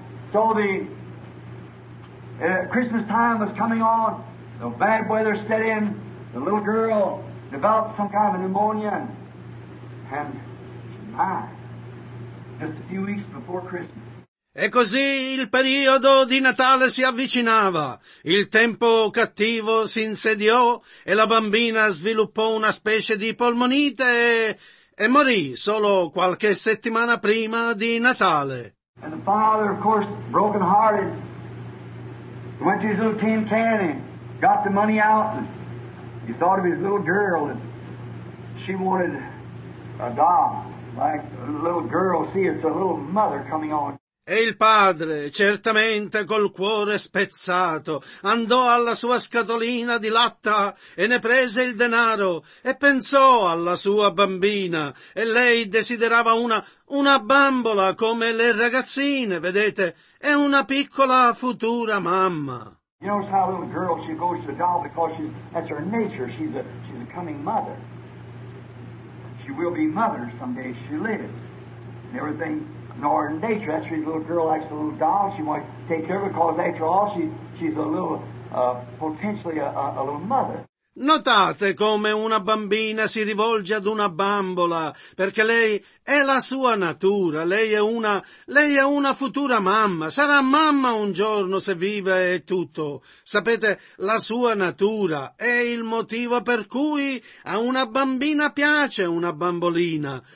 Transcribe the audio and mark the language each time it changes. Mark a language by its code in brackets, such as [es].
[en] So the Christmas time was coming on, the bad weather set in, the little girl developed some kind of pneumonia, and she died just a few weeks before Christmas. [it] E così il periodo di Natale si avvicinava, il tempo cattivo si insediò e la bambina sviluppò una specie di polmonite e morì solo qualche settimana prima di Natale. [en] And the father, of course, broken-hearted, went to his little tin can and got the money out, and he thought of his little girl, and she wanted a doll, like a little girl. See, it's a little mother coming on. [it] E il padre, certamente col cuore spezzato, andò alla sua scatolina di latta e ne prese il denaro e pensò alla sua bambina. E lei desiderava una bambola come le ragazzine, vedete, è una piccola futura mamma. [en] You know how a little girl, she goes to the doll because she's, that's her nature, she's a coming mother. She will be mother someday, she lives. And everything. Nor in nature, that's why the little girl likes the little doll. She wants to take care of it because, after all, she's a little potentially a little mother. [it] Notate come una bambina si rivolge ad una bambola, perché lei è la sua natura, lei è una futura mamma, sarà mamma un giorno se vive e tutto. Sapete, la sua natura è il motivo per cui a una bambina piace una bambolina.